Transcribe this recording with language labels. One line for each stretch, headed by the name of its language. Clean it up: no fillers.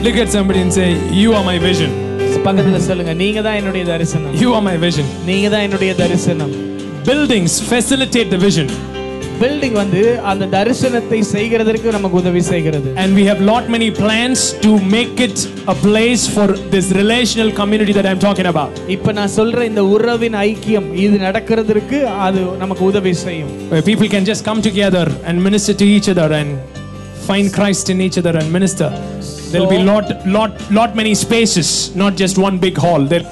English: Look at somebody and say, you are my vision.
Tamil: பக்கத்துல சொல்லுங்க, நீங்க தான் என்னுடைய தரிசனம்.
English: You are my vision.
Tamil: நீங்க தான் என்னுடைய தரிசனம்.
English: Buildings facilitate the vision.
Tamil: Building வந்து அந்த தரிசனத்தை செய்கிறதுக்கு நமக்கு உதவி செய்கிறது.
English: And we have lot many plans to make it a place for this relational community that I'm talking about.
Tamil: இப்ப நான் சொல்ற இந்த உறவின் ஐக்கியம் இது நடக்கிறதுக்கு அது நமக்கு உதவி செய்யும்.
English: People can just come together and minister to each other and find Christ in each other and minister. There'll be lot many spaces, not just one big hall.